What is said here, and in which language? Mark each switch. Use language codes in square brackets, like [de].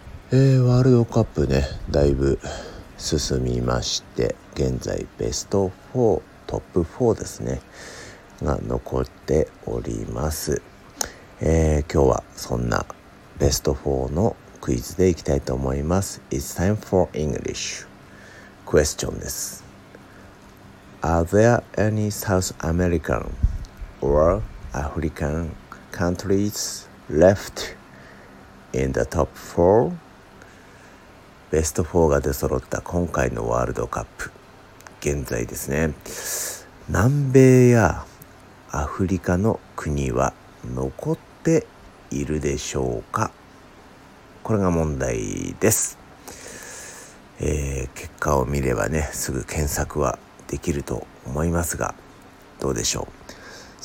[ja] ワールドカップね、だいぶ進みまして、現在ベスト4、トップ4ですねが残っております。今日はそんなベスト4のクイズでいきたいと思います。 [en] It's time for English question です。 Are there any South American or African countries left in the top 4? [ja] ベスト4が出揃った今回のワールドカップ、現在ですね、南米やアフリカの国は残っているでしょうか。これが問題です。結果を見ればね、すぐ検索はできると思いますが、どうでしょう。